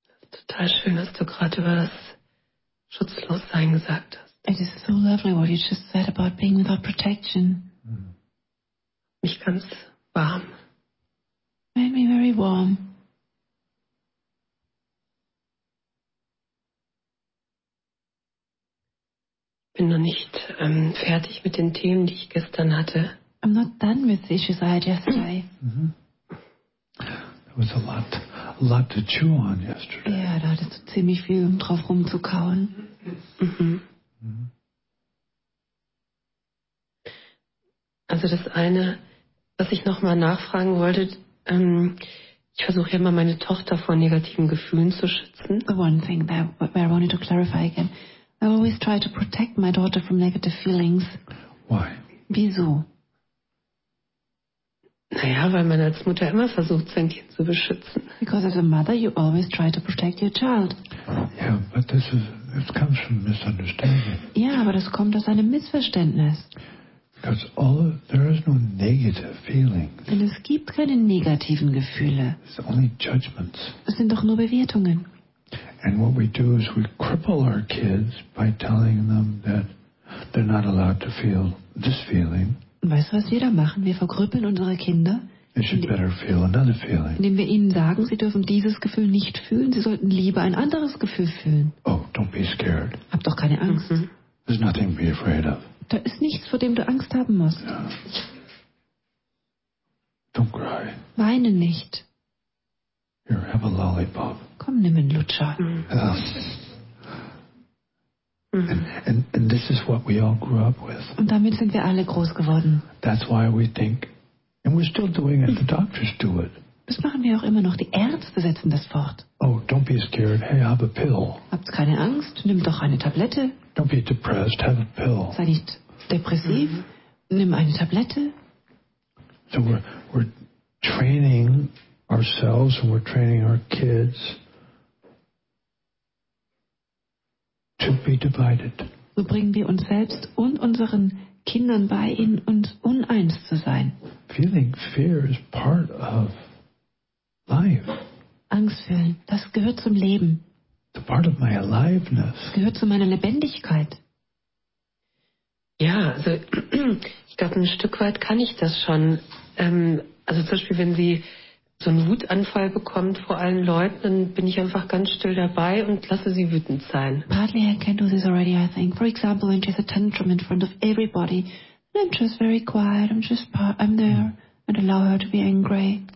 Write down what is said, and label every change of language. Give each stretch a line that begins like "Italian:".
German: total schön, dass du gerade über das Schutzlossein gesagt hast.
English: It is so lovely what you just said about being without protection.
German: Mich ganz warm.
English: Made me very warm.
German: Bin noch nicht fertig mit den Themen, die ich gestern hatte.
English: I'm not done with the issues I had yesterday. Mm-hmm. There was a lot to chew on yesterday.
German: Ja, da hattest du ziemlich viel, um drauf rumzukauen. Mm-hmm. Also das eine, was ich nochmal nachfragen wollte, ich versuche ja immer, meine Tochter vor negativen Gefühlen zu schützen.
English: The one thing that I wanted to clarify again. I always try to protect my daughter from negative feelings. Why?
German: Wieso? Naja, weil man als Mutter immer versucht, sein Kind zu beschützen.
English: Because as a mother, you always try to protect your child. Yeah, but it comes from misunderstanding.
German: Ja, aber das kommt aus einem Missverständnis.
English: Because there is no negative feelings.
German: Denn es gibt keine negativen Gefühle.
English: It's only judgments.
German: Es sind doch nur Bewertungen.
English: And what we do is we cripple our kids by telling them that they're not allowed to feel this feeling.
German: Weißt du, was wir da machen? Wir verkrüppeln unsere Kinder.
English: They should better feel another feeling.
German: Indem wir ihnen sagen, sie dürfen dieses Gefühl nicht fühlen, sie sollten lieber ein anderes Gefühl fühlen.
English: Oh, don't be scared.
German: Hab doch keine Angst. Mm-hmm.
English: There's nothing to be afraid of.
German: Da ist nichts, vor dem du Angst haben musst.
English: Yeah. Don't cry.
German: Weine nicht.
English: Here, have a lollipop.
German: Komm, nimm einen Lutscher.
English: And this is what we all grew up with.
German: Und damit sind wir alle groß geworden.
English: That's why we think, and we're still doing it. The doctors do it.
German: Das machen wir auch immer noch. Die Ärzte setzen das fort.
English: Oh, don't be scared. Hey, have a pill.
German: Habt keine Angst. Nimm doch eine Tablette.
English: Don't be depressed. Have a pill.
German: Sei nicht depressiv. Mm-hmm. Nimm eine Tablette.
English: So we're training ourselves and we're training our kids to be divided.
German: So bringen wir uns selbst und unseren Kindern bei, in uns uneins zu sein.
English: Feeling fear is part of life.
German: Angst fühlen, das gehört zum Leben.
English: It's part of my aliveness.
German: Das gehört zu meiner Lebendigkeit. Ja, also ich glaube, ein Stück weit kann ich das schon. Also zum Beispiel, wenn sie so einen Wutanfall bekommt vor allen Leuten, dann bin ich einfach ganz still dabei und lasse sie wütend sein.
English: Partly I can do this already, I think. For example, when she has a tantrum in front of everybody, I'm just very quiet, I'm there and allow her to be angry.